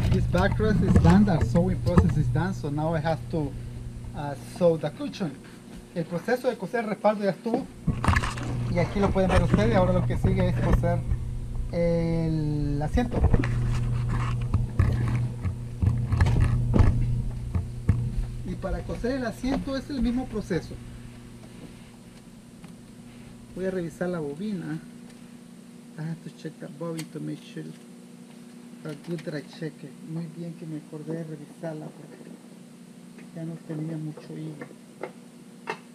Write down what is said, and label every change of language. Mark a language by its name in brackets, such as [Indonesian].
[English] Backrest is done, the sewing process is done, so now I have to sew the cushion. [Spanish] El proceso de coser el respaldo ya estuvo, y aquí lo pueden ver ustedes, ahora lo que sigue es coser el asiento. Y para coser el asiento es el mismo proceso. Voy a revisar la bobina. [English] I have to check the bobbin to make sure. A good dry check. [Spanish] Muy bien que me acordé de revisarla porque ya no tenía mucho hilo.